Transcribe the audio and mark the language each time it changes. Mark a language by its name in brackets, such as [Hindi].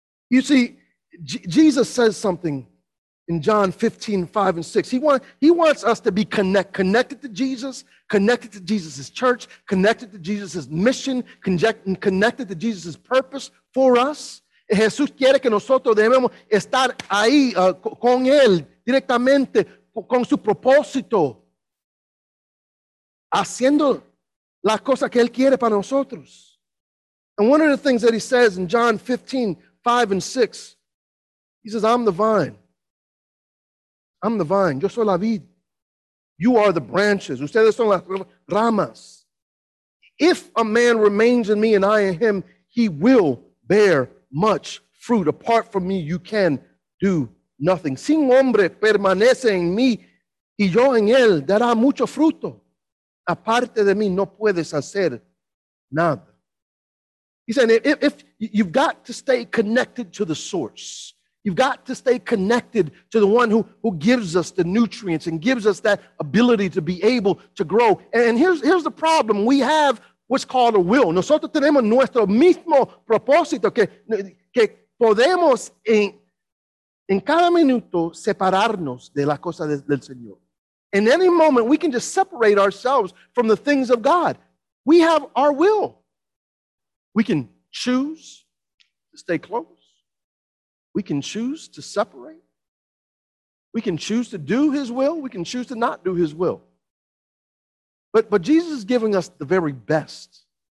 [English] You see, Jesus says something in John 15, 5 and 6. He wants us to be connected to Jesus, connected to Jesus' church, connected to Jesus' mission, connected to Jesus' purpose for us. [Spanish] Jesús quiere que nosotros debemos estar ahí con él directamente, con su propósito, haciendo la cosa que él quiere para nosotros. [English] And one of the things that he says in John 15, 5 and 6, he says, I'm the vine. I'm the vine. [Spanish] Yo soy la vid. [English] You are the branches. [Spanish] Ustedes son las ramas. [English] If a man remains in me and I in him, he will bear much fruit. Apart from me, you can do nothing. [Spanish] Si un hombre permanece en mí y yo en él, dará mucho fruto. Aparte de mí, no puedes hacer nada. [English] He's saying, if you've got to stay connected to the source. You've got to stay connected to the one who gives us the nutrients and gives us that ability to be able to grow. And here's the problem. We have what's called a will. [Spanish] Nosotros tenemos nuestro mismo propósito que podemos en cada minuto separarnos de la cosa del Señor. [English] In any moment, we can just separate ourselves from the things of God. We have our will. We can choose to stay close. We can choose to separate. We can choose to do his will. We can choose to not do his will. But Jesus is giving us the very best.